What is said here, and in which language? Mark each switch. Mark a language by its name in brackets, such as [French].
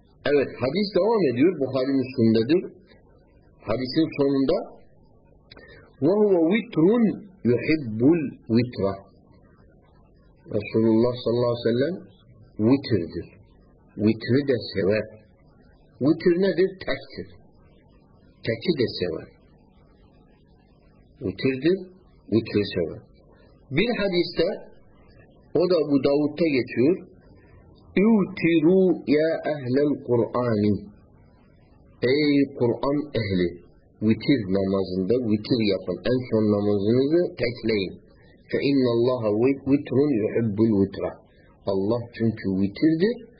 [Turkish] Evet, hadis devam ediyor. Buhari Müslim'dedir. Hadisin sonunda [Arabic] وَهُوَ وِتْرٌ يُحِبُّ الْوِتْرَ [Turkish] Resulullah sallallahu aleyhi ve sellem vitirdir. Vitri de sever. Vitir nedir? Tektir. Teki de sever. Vitirdir. Vitri sever. Bir hadiste, o da bu Davud'da geçiyor. [Arabic] اُوْتِرُوا يَا اَهْلَ الْقُرْآنِ [Turkish] Ey Kur'an ehli! Vitir namazında vitir yapın. En son namazınızı tekleyin. [Arabic] فَاِنَّ اللّٰهَ وِتْرٌ يُحِبُّ الْوِتْرَ [Turkish] Allah çünkü vitirdir.